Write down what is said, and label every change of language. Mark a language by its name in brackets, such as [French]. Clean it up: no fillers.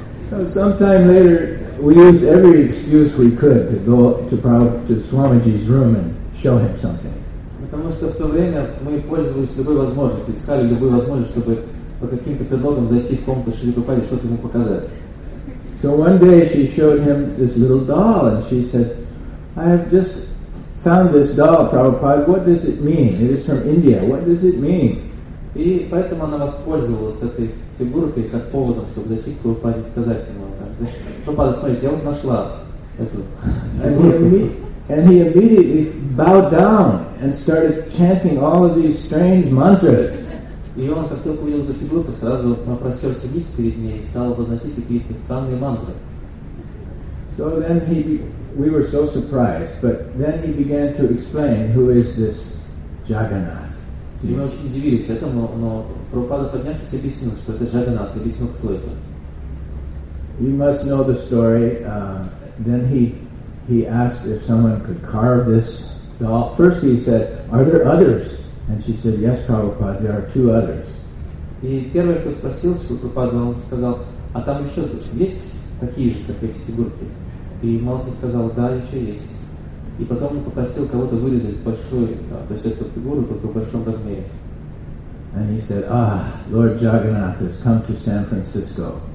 [English] So sometime later, we used every excuse we could to go to Swamiji's room and show him something. [Russian] Потому что в то время мы пользовались любой возможностью, искали любую возможность, чтобы по каким-то предлогам зайти в комнату Шри Прабхупады, что-то ему показать. [English] So one day she showed him this little doll and she said, I have just found this doll, Prabhupada. What does it mean? It is from India. What does it mean? [Russian] И поэтому она воспользовалась этой фигуркой как поводом, чтобы зайти к Прабхупаде и сказать ему. Прабхупада, смотрите, я вот нашла эту фигурку. [English] And he immediately bowed down and started chanting all of these strange mantras. [Russian] И он, как только увидел эту фигурку, сразу простерся вниз перед ней и стал возносить какие-то странные мантры. [English] So then we were so surprised, but then he began to explain who is this Jagannath. [Russian] И мы очень удивились этому, но Прабхупада поднявшись объяснил, что это Джагнат, объяснил, кто это. [English] You must know the story. Then he asked if someone could carve this doll. First he said, are there others? And she said, yes, Prabhupada, there are two others. [Russian] И первое, что спросил, что Прабхупада, он сказал, а там еще есть такие же, как эти фигурки? И Малати сказал, да, еще есть. И потом он попросил кого-то вырезать эту фигуру только в большом размере. [English] And he said, ah, Lord Jagannath has come to San Francisco.